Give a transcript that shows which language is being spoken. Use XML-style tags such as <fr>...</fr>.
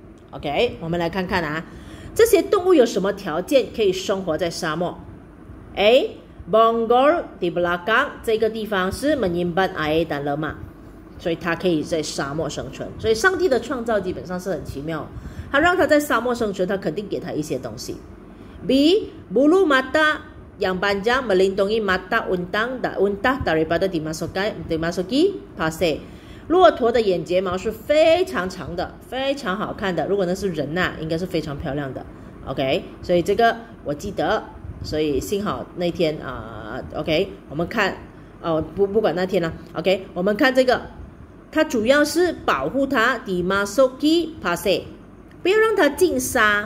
<zh>OK， 我们来看看啊，这些动物有什么条件可以生活在沙漠 ？A，</zh> <ms>Bongor di belakang</ms> <zh>这个地方是</zh> <ms>menyimpan air dan lemak，</ms> <zh>所以它可以在沙漠生存。所以上帝的创造基本上是很奇妙，他让他在沙漠生存，他肯定给他一些东西。</zh> <ms>B bulu mata yang panjang melindungi mata untang untah daripada dimasuki pasir。</ms> <zh>骆驼的眼睫毛是非常长的，非常好看的，如果那是人啊应该是非常漂亮的。 OK， 所以这个我记得，所以幸好那天啊、OK， 我们看、不管那天了、啊、OK， 我们看这个，它主要是保护它</zh> <ms>dimasuki pasir，</ms> <zh>不要让它进沙。</zh>